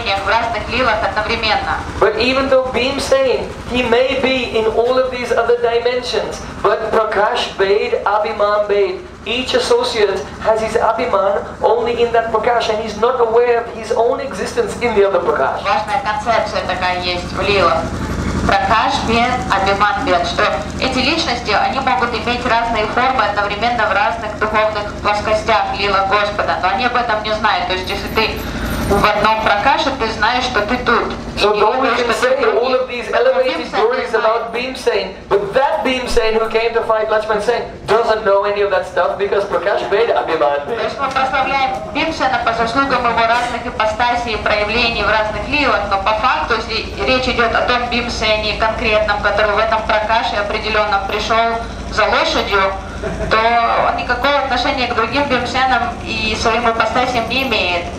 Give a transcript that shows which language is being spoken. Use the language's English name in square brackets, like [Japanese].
[English] But even though Bhim Sain, he may be in all of these other dimensions, but Prakash Bhed, Abhiman Bhed, each associate has his Abhiman only in that Prakash, and he's not aware of his own existence in the other Prakash. [Russian] Важная концепция такая есть в Лила. Прокаш бед, Абиман бед, что эти личности, они могут иметь разные формы одновременно в разных духовных плоскостях Лила Господа, но они об этом не знают. То есть если ты в одном Прокаше, ты знаешь, что ты тут. [English] So though we can say all of these elevated stories about Bhimsen, but that Bhimsen who came to fight Lakshman Sen doesn't know any of that stuff because Prakash Bhed Abhiman Bhed. [Russian] То есть мы прославляем Бхимсена по заслугам его разных ипостасей и проявлений в разных лилах, но по факту, если речь идет о том Бхимсене конкретном, который в этом Пракаше определенно пришел за лошадью, то он никакого отношения к другим бхимсенам и своим апостасям не имеет.